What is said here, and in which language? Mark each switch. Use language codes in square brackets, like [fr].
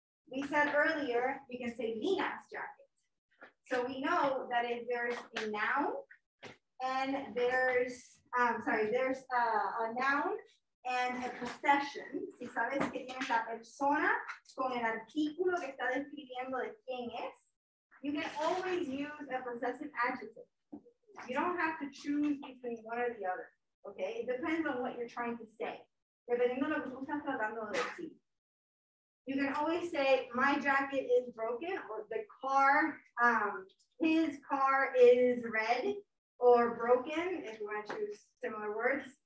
[en] We said earlier, you can say Lina's jacket. So we know that if there's a noun and there's, there's a noun and a possession. [es] Si sabes que tienes la persona con el artículo que está describiendo de quién es, [en] you can always use a possessive adjective. You don't have to choose between one or the other, okay? It depends on what you're trying to say. [es] Dependiendo de lo que tú estás tratando de decir. [en] You can always say, my jacket is broken, or the car, his car is red, or broken, if you want to choose similar words.